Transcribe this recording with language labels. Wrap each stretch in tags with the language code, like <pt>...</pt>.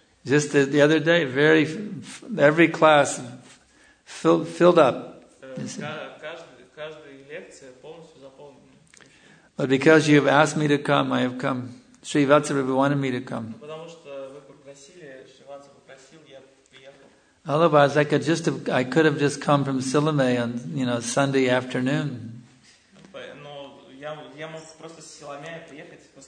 <en>Just the other day, every class filled up.</en> <ru>Каждая лекция полностью заполнена.</ru> <en>But because you have asked me to come, I have come. Sri Vatsaprabhu wanted me to come.</en> <ru>Потому что вы попросили, Шри Вацапрабху попросил, я приехал.</ru> <en>Otherwise, I could have just come from Силамея on Sunday afternoon.</en> <ru>Но я мог просто с Силамея приехать.</ru>